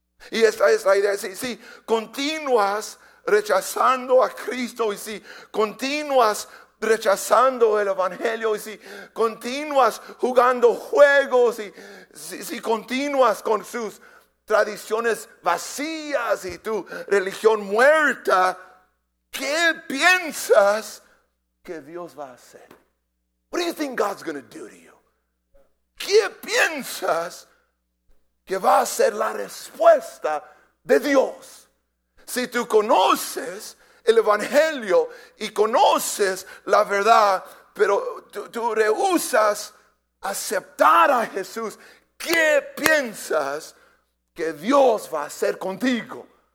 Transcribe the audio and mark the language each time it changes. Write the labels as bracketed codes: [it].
[es] Y esta es la idea, si continúas rechazando a Cristo y si continúas rechazando el evangelio y si continúas jugando juegos y si continúas con sus tradiciones vacías y tu religión muerta, ¿qué piensas que Dios va a hacer? [en] What do you think God's going to do to you? [es] ¿Qué piensas que va a ser la respuesta de Dios? Si tú conoces el evangelio y conoces la verdad, pero tú rehusas aceptar a Jesús, ¿qué piensas que Dios va a hacer contigo?